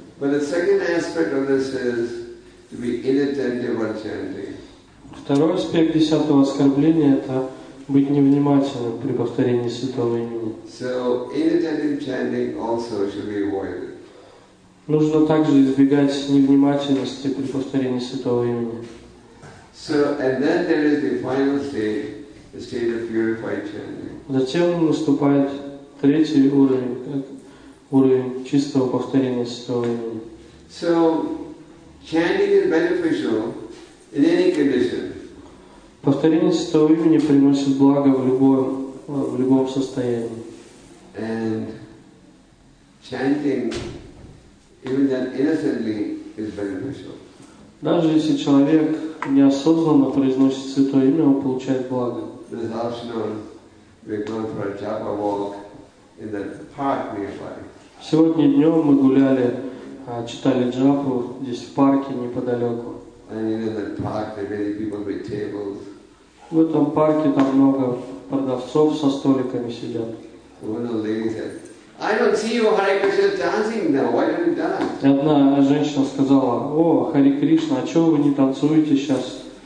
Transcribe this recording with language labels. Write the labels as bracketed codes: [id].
[ru] Второй аспект десятого оскорбления — это быть невнимательным при повторении святого имени. [en] So, inattentive chanting also should be avoided. [ru] Нужно также избегать невнимательности при повторении святого имени. [en] So, and then there is the final stage, the state of purified chanting. [ru] Затем наступает третий уровень чистого повторения святого имени. [en] So, chanting is beneficial in any condition. [ru] Повторение святого имени приносит благо в любом состоянии. [en] And chanting, even then innocently, is beneficial. [ru] Даже если человек неосознанно произносит святое имя, он получает благо. [en] This afternoon we're going for a japa walk in the park nearby. [ru] Сегодня днем мы гуляли, читали джапу здесь в парке неподалеку. [en] And in the park there are many people with tables. [ru] В этом парке там много продавцов со столиками сидят. Одна женщина сказала: «О, Хари Кришна, а чего вы не танцуете сейчас?»